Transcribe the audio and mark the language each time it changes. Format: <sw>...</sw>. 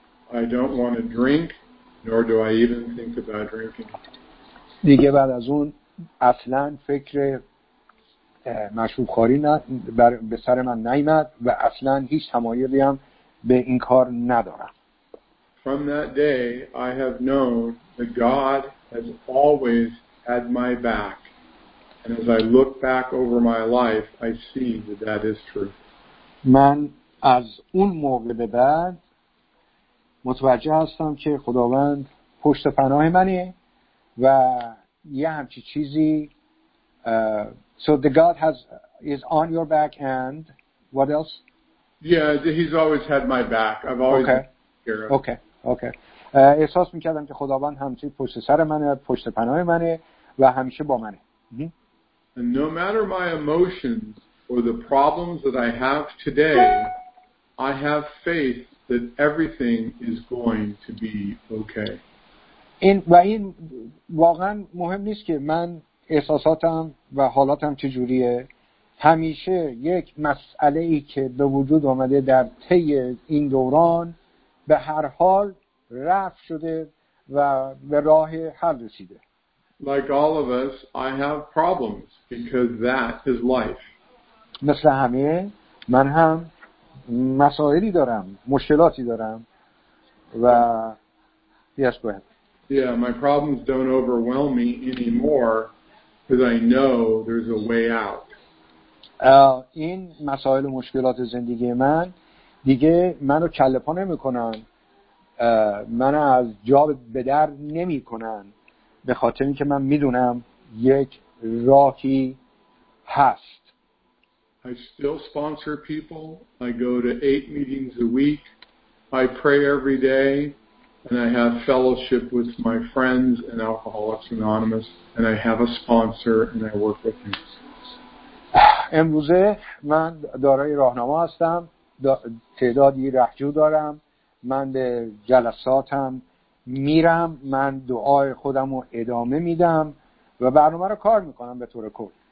<en>I don't want to drink, nor do I even think about drinking.</en> <fa>دیگه بعد از اون اصلا فکر مشروب خوری به سر من نیامد و اصلا هیچ تمایلی هم به این کار ندارم.</fa> <en>From that day I have known that God has always had my back and as I look back over my life I see that that is true.</en> <fa>من از اون موقع به بعد متوجه هستم که خداوند پشت پناه منه و یه همچی چیزی</fa> <en>So the God is on your back and what else? Yeah, he's always had my back. I've always Okay.</en> <fa>احساس می‌کردم که خداوند همیشه پشت سر منه، پشت پناه منه و همیشه با منه.</fa> <en>And no matter my emotions or the problems that I have today, I have faith that everything is going to be okay.</en> <fa>این واقعا مهم نیست که من احساساتم و حالاتم چجوریه، همیشه یک مسئله ای که به وجود آمده در طی این دوران به هر حال رفع شده و به راه حل رسیده.</fa> <en>Like all of us, I have problems because that is life.</en> <fa>مثل همه من هم مسائلی دارم، مشکلاتی دارم و</fa> <en>yes, go ahead. Yeah, my problems don't overwhelm me anymore. Because I know there's a way out.</en> <fa>این مسائل و مشکلات زندگی من دیگه منو کله پا نمی‌کنن. منو از جا به در نمی‌کنن به خاطر اینکه من میدونم یک راهی هست.</fa> <en>I still sponsor people. I go to 8 meetings a week. I pray every day. And I have fellowship with my friends and Alcoholics Anonymous. And I have a sponsor and I work with him.</en> <fa>امروزه من دارای راهنما هستم. تعدادی رهجو دارم. من به جلساتم میرم. من دعای خودم رو ادامه میدم. و برنامه رو کار میکنم به طور کل.</fa>